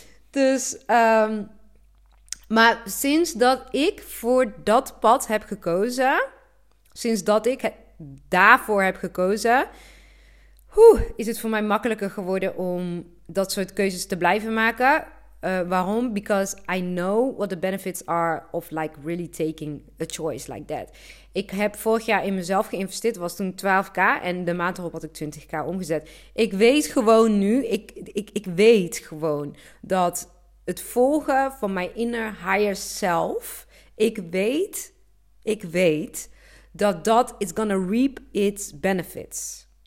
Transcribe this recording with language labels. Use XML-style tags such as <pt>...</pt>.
<nl>Dus, maar sinds dat ik voor dat pad heb gekozen, sinds dat ik daarvoor heb gekozen, is het voor mij makkelijker geworden om dat soort keuzes te blijven maken. Waarom?</nl> <en>Because I know what the benefits are of like really taking a choice like that.</en> <nl>Ik heb vorig jaar in mezelf geïnvesteerd, was toen 12k en de maand erop had ik 20k omgezet. Ik weet gewoon nu, ik weet gewoon dat het volgen van mijn inner higher self, ik weet dat</nl> <en>it's gonna reap its benefits.</en>